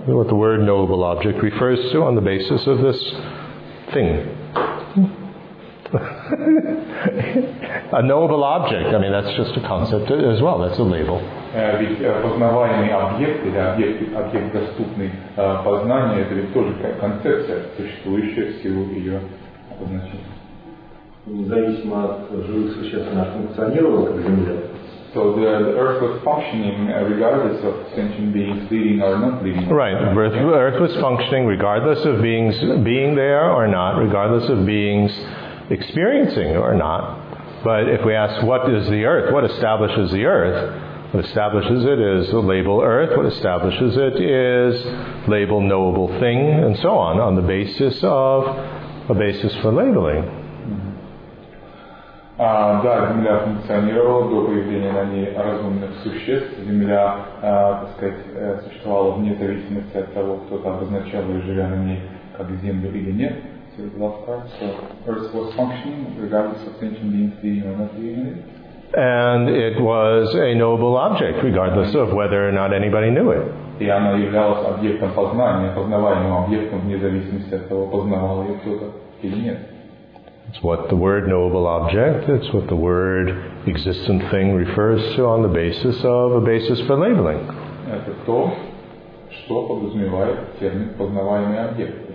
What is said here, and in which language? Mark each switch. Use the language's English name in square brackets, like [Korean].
[English] What the word knowable object refers to on the basis of this thing. A knowable object, I mean, that's just a concept as well, that's a label. [Russian] Познаваемый объект или объект доступный познанию, это ведь тоже концепция, существующая в силу ее обозначения. Независимо от живых существ, она функционировала как Земля. [English] So the earth was functioning regardless of sentient beings living or not living. Right, the earth was functioning regardless of beings being there or not, regardless of beings experiencing or not. But if we ask what is the earth, what establishes the earth, what establishes it is the label earth, what establishes it is label knowable thing, and so on the basis of a basis for labeling. [Russian] Да, Земля функционировала до появления на ней разумных существ. Земля, так сказать, существовала вне зависимости от того, кто там обозначал ее, живя на ней, как Землю или нет. [English] So, Earth was functioning regardless of sentient beings being or not being in it. And it was a knowable object, regardless of whether or not anybody knew it. [Russian] И она являлась объектом познания, познаваемым объектом, вне зависимости от того, познавал ее кто-то или нет. [English] It's what the word knowable object, it's what the word existent thing refers to on the basis of a basis for labeling. [Russian] Это то, что подразумевает термин познаваемый объект.